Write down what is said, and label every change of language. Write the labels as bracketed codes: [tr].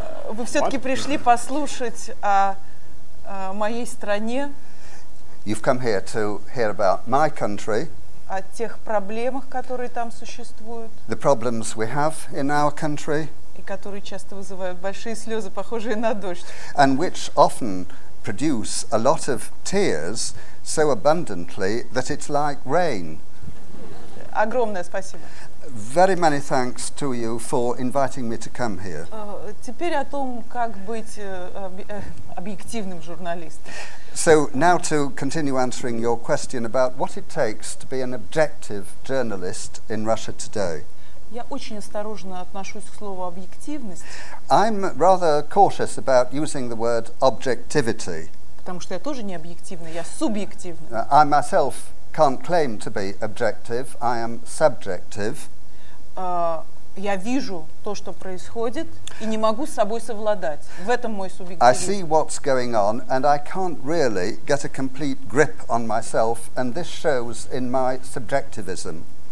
[ru] Вы все-таки пришли послушать о моей стране. [en] You've come here to hear about my country. [ru] О тех проблемах, которые там существуют. [en] The problems we have in our country. [ru] И которые часто вызывают большие слезы, похожие на дождь. [en] And which often produce a lot of tears so abundantly that it's like rain. [ru] Огромное спасибо. [en] Very many thanks to you for inviting me to come here. [ru] Теперь о том, как быть объективным журналистом. [en] So now to continue answering your question about what it takes to be an objective journalist in Russia today. [ru] Я очень осторожно отношусь к слову объективность. [en] I'm rather cautious about using the word objectivity. [ru] Потому что я тоже не объективна, я субъективна. [en] I myself can't claim to be objective, I am subjective. [ru] Я вижу то, что происходит, и не могу с собой совладать. В этом мой субъективизм. [en] I see what's going on, and I can't really get a complete grip on myself, and this shows in my subjectivism.